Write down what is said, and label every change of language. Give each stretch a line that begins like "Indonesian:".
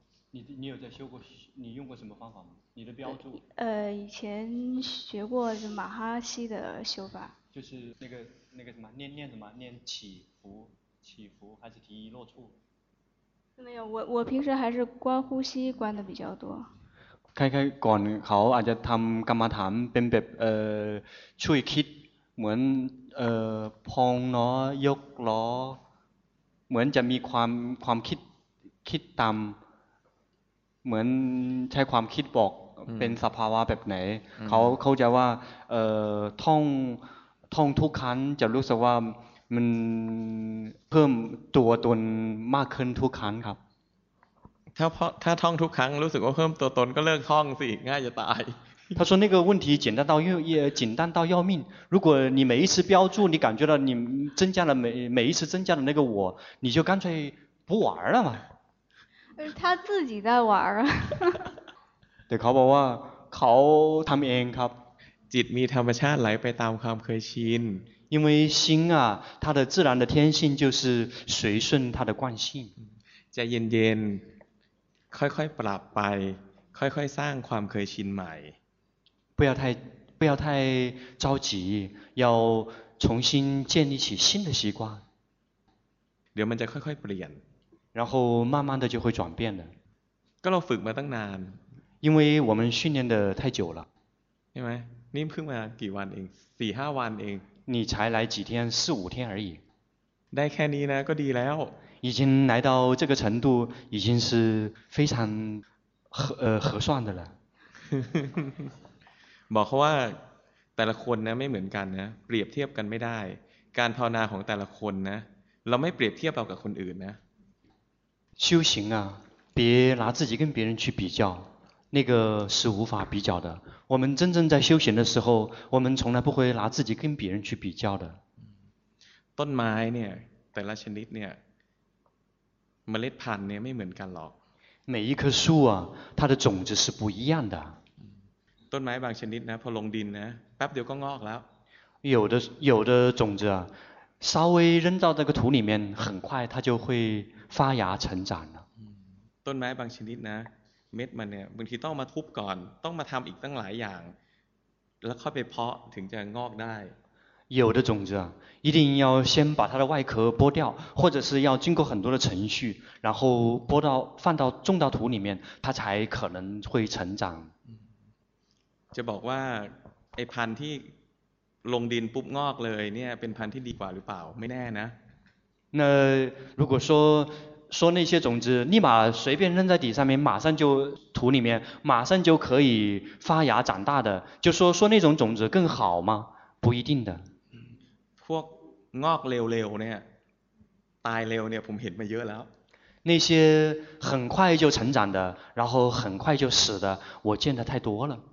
Chinese: 你有在修过，你用过什么方法吗？你的标注？以前学过马哈希的修法。就是那个什么，念什么？念起伏还是提一落处？没有，我平时还是观呼吸观的比较多。
Thai: ใครๆก่อนเขาอาจจะทำกรรมฐานเป็นแบบช่วยคิดเหมือนพองเนาะยกล้อเหมือนจะมีความคิดตามเหมือนใช้ความคิดบอกเป็นสภาวะแบบไหนเขาจะว่าท่องทุกครั้งจะรู้สึกว่ามันเพิ่มตัวตนมากขึ้นทุกครั้งครับ ถ้าท่องทุกครั้งรู้สึกว่าเพิ่มตัวตนก็เลิกท่องสิง่ายจะตาย
Chinese: 他说那个问题简单到又也简单到要命如果你每一次标注你感觉到你增加了每一次增加的那个我你就干脆不玩了嘛他自己在玩啊对
Thai: เขาบอกว่าเขาทำเองครับ จิตมีธรรมชาติไหลไปตามความเคยชิน
Chinese: 因为心啊它的自然的天性就是随顺它的惯性
Thai: ใจเย็นค่อยๆปรับไปค่อยๆสร้างความเคยชินใหม่
Chinese: 不要太着急要重新建立起新的习惯
Thai: เดี๋ยวมันจะค่อยๆเปลี่ยน
Chinese: 然后慢慢的就会转变了
Thai: ก็เราฝึกมาตั้งนาน
Chinese: 因为我们训练的太久了
Thai: ใช่ไหมนี่เพิ่งมากี่วันเอง4-5วันเอง
Chinese: 你才来几天4-5天而已
Thai: ได้แค่นี้นะก็ดีแล้ว
Chinese: 已经来到这个程度已经是非常合算的了
Thai: บอกเขาว่าแต่ละคนนะไม่เหมือนกันนะเปรียบเทียบกันไม่ได้การภาวนาของแต่ละคนนะเราไม่เปรียบเทียบเรากับคนอื่นนะ
Chinese: 修行啊别拿自己跟别人去比较那个是无法比较的我们真正在修行的时候我们从来不会拿自己跟别人去比较的
Thai: ต้นไม้เนี่ยแต่ละชนิดเนี่ยเมล็ดพันธุ์เนี่ยไม่เหมือนกันหรอก
Chinese: 每一棵树啊它的种子是不一样的
Thai: ต้นไม้บางชนิดนะพอลงดินนะแป๊บเดียวก็งอกแล้ว
Chinese: 有的种子啊稍微扔到那个土里面很快它就会发芽成长了
Thai: ต้นไม้บางชนิดนะเม็ดมันเนี่ยบางทีต้องมาทุบก่อนต้องมาทำอีกตั้งหลายอย่างแล้วค่อยไปเพาะถึงจะงอกได้
Chinese: 有的种子啊，一定要先把它的外壳剥掉，或者是要经过很多的程序，然后剥到放到种到土里面，它才可能会成长。
Thai: จะบอกว่าไอพันธุ์ที่ลงดินปุ๊บงอกเลยเนี่ยเป็นพันธุ์ที่ดีกว่าหรือเปล่าไม่แน่นะ
Chinese: 那如果说那些种子立马随便扔在底上面马上就土里面马上就可以发芽长大的就说那种种子更好吗不一定的
Thai: พวกงอกเร็วๆเนี่ยตายเร็วเนี่ยผมเห็นมาเยอะแล้ว
Chinese: 那些很快就成长的然后很快就死的我见的太多了